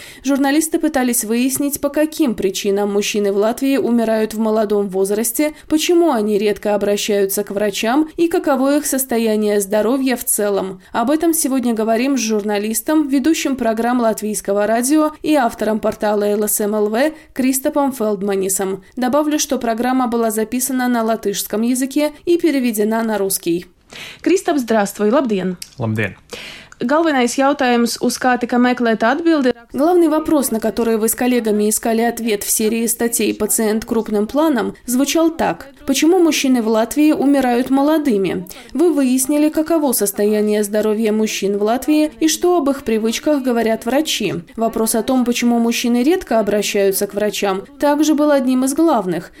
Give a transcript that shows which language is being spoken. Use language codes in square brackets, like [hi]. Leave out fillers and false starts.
[ru] Журналисты пытались выяснить, по каким причинам мужчины в Латвии умирают в молодом возрасте, почему они редко обращаются к врачам и каково их состояние здоровья в целом. Об этом сегодня говорим с журналистом, ведущим программ Латвийского радио и автором портала ЛСМЛВ Кристопом Фелдманисом. Добавлю, что программа была записана на латышском языке и переведена на русский. Кристоп, здравствуй. [lv] Лабден. Лабден. Galvenais jautājums, uz kā tika meklēta atbilde. [ru] Главный вопрос, на который вы с коллегами искали ответ в серии статей «Пациент крупным планом», звучал так. Почему мужчины в Латвии умирают молодыми? Вы выяснили, каково состояние здоровья мужчин в Латвии и что об их привычках говорят врачи. Вопрос о том, почему мужчины редко обращаются к врачам, также был одним из главных.